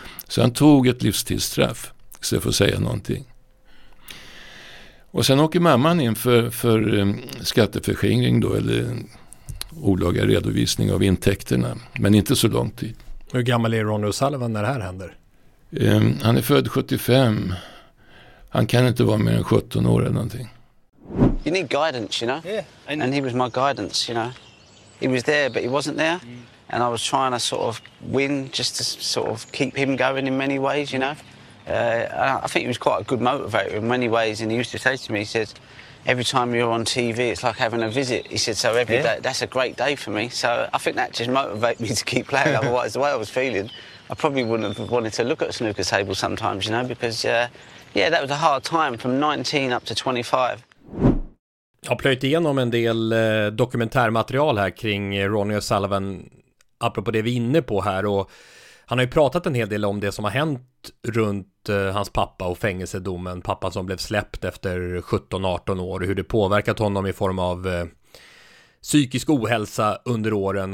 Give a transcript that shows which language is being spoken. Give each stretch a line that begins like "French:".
Swedish: Så han tog ett livstidsstraff. Så jag får säga någonting. Och sen åker mamman in för skatteförskingring då, eller olaga redovisning av intäkterna, men inte så lång tid. Hur gammal är Ronnie O'Sullivan när det här händer? Han är född 75. Han kan inte vara mer än 17 år eller någonting.
English: You need guidance, you know? Yeah. And he was my guidance, you know. He was there but he wasn't there. And I was trying to sort of win just to sort of keep him going in many ways, you know. I think he was quite a good motivator in many ways, and he used to say to me, he says, every time you're on TV it's like having a visit, he said, so every day, that's a great day for me, so I think that just motivated me to keep playing. Otherwise, the way I was feeling, I probably wouldn't have wanted to look at a snooker table sometimes, you know, because yeah, that was a hard time from 19 up to 25.
Swedish: Jag har plöjt igenom en del dokumentärmaterial här kring Ronnie O'Sullivan, apropå det vi är inne på här, och han har ju pratat en hel del om det som har hänt runt hans pappa och fängelsedomen. Pappa som blev släppt efter 17-18 år. Hur det påverkat honom i form av psykisk ohälsa under åren.